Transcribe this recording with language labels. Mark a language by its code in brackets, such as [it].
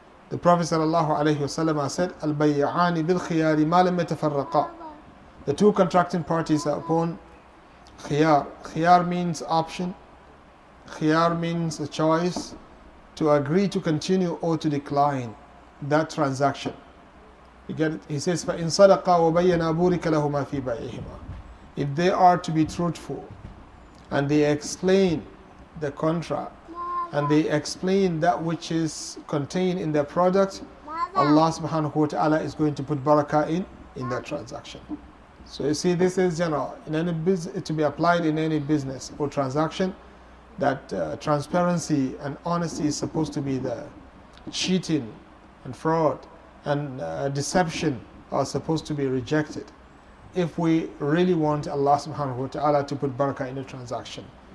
[en] The Prophet sallallahu alayhi wa sallam said, [ar] Al-bay'ani bil-khiyari ma lam yatafarraqa. [en] The two contracting parties are upon khiyar. Khiyar means option. Khiyar means a choice to agree to continue or to decline that transaction. You get it? He says, [ar] فَإِنْ صَدَقَ وَبَيَّنَا بُورِكَ لَهُمَا فِي بَعِهِمَا. [en] If they are to be truthful and they explain the contract and they explain that which is contained in their product, Allah subhanahu wa ta'ala is going to put barakah in that transaction. So you see, this is general. In any business, to be applied in any business or transaction, that transparency and honesty is supposed to be the cheating and fraud and deception are supposed to be rejected if we really want Allah subhanahu wa ta'ala to put barakah in the transaction.